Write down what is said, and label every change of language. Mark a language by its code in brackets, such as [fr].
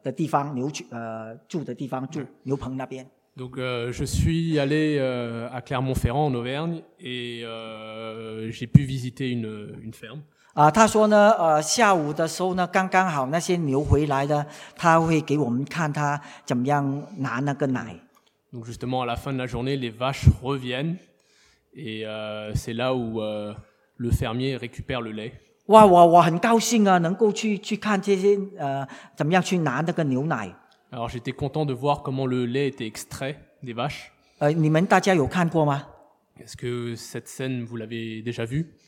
[zh] 这次呢，我去这一个的Clermont-Ferrand的时候呢，我有机会去看那个牛住的地方，牛棚那边。 [fr] Donc je suis allé à Clermont-Ferrand en Auvergne et j'ai pu visiter une ferme. [zh] 他说呢，下午的时候呢，刚刚好那些牛回来的，他会给我们看他怎么样拿那个奶。 [fr] Donc justement, à la fin de la journée, les vaches reviennent et c'est là où le fermier récupère le lait. [zh] 哇，我很高兴啊，能够去看这些，怎么样去拿那个牛奶。 [fr] Alors j'étais content de voir comment le lait était extrait des vaches. [zh] 你们大家有看过吗？ [fr] Est-ce que cette scène, vous l'avez déjà vue?